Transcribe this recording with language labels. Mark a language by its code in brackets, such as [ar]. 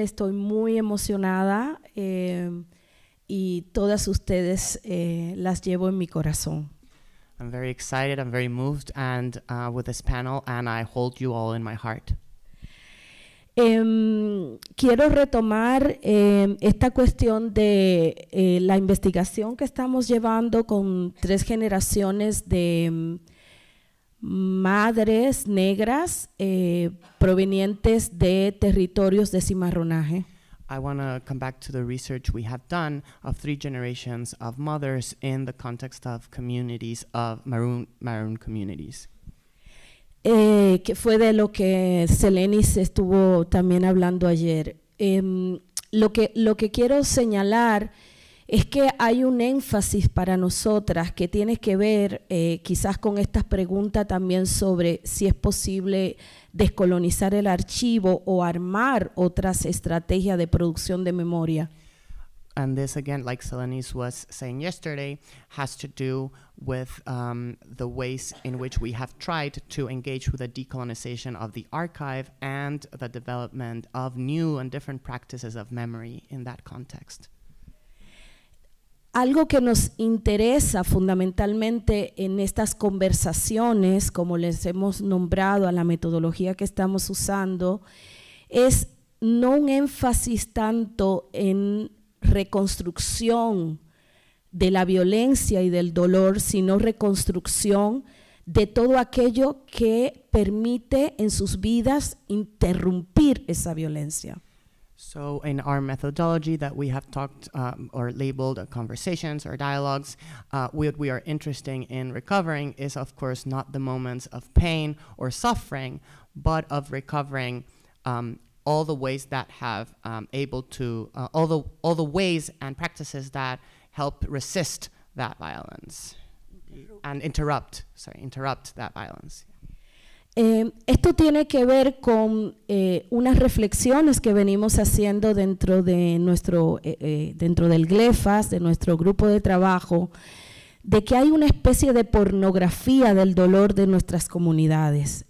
[es] Estoy muy emocionada y todas ustedes las llevo en mi corazón. [en] I'm very excited. I'm very moved, and with this panel, and I hold you all in my heart. [es] Quiero retomar esta cuestión de la investigación que estamos llevando con tres generaciones de madres negras provenientes de territorios de cimarronaje. [en] I want to come back to the research we have done of three generations of mothers in the context of communities of Maroon communities. [es] Que fue de lo que Selenis estuvo también hablando ayer. Lo que quiero señalar es que hay un énfasis para nosotras que tiene que ver quizás con esta pregunta también sobre si es posible descolonizar el archivo o armar otras estrategias de producción de memoria. [en] And this again, like Selenis was saying yesterday, has to do with the ways in which we have tried to engage with the decolonization of the archive and the development of new and different practices of memory in that context. [es] Algo que nos interesa fundamentalmente en estas conversaciones, como les hemos nombrado a la metodología que estamos usando, es no un énfasis tanto en reconstrucción de la violencia y del dolor, sino reconstrucción de todo aquello que permite en sus vidas interrumpir esa violencia. [en] So in our methodology that we have talked or labeled conversations or dialogues, what we are interested in recovering is of course not the moments of pain or suffering, but of recovering all the ways that have able to, all the ways and practices that help resist that violence and interrupt that violence. [es] Esto tiene que ver con unas reflexiones que venimos haciendo dentro de nuestro, dentro del GLEFAS, de nuestro grupo de trabajo, de que hay una especie de pornografía del dolor de nuestras comunidades.